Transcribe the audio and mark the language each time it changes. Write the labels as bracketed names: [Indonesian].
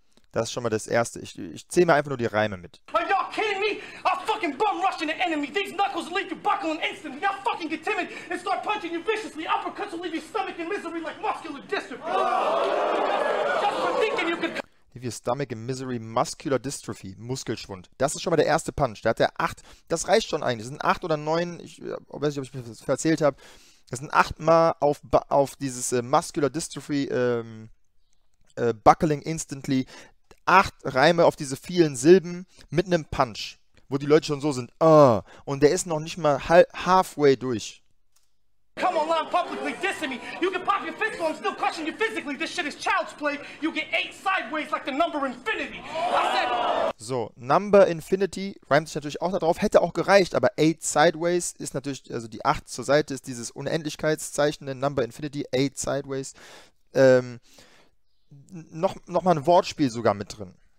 [German] Das ist schon mal das Erste. Ich zähle mir einfach nur die Reime mit. [English] Fucking bum rushing the enemy. These knuckles will leave you buckling instantly. I'll fucking get timid and start punching you viciously. Uppercuts will leave your stomach in misery like muscular dystrophy. Just for thinking you could. Leave your stomach in misery, muscular dystrophy, Muskelschwund. [German] Das ist schon mal der erste Punch. Da hat er 8. Das reicht schon eigentlich. Das sind 8 oder 9. Ich weiß nicht, ob ich mir das erzählt habe. Das sind 8-mal auf dieses [English] muscular dystrophy, buckling instantly. [German] 8 Reime auf diese vielen Silben mit einem Punch. Wo die Leute schon so sind, und der ist noch nicht mal halfway durch. [English] Come online publicly dissing me. You can pop your fist, so I'm still crushing you physically. This shit is child's play. You get 8 sideways like the number infinity. [German] So, number infinity reimt sich natürlich auch darauf. Hätte auch gereicht, aber 8 sideways ist natürlich, also die 8 zur Seite ist dieses Unendlichkeitszeichen, [English] number infinity, 8 sideways. [German] Nochmal ein Wortspiel sogar mit drin.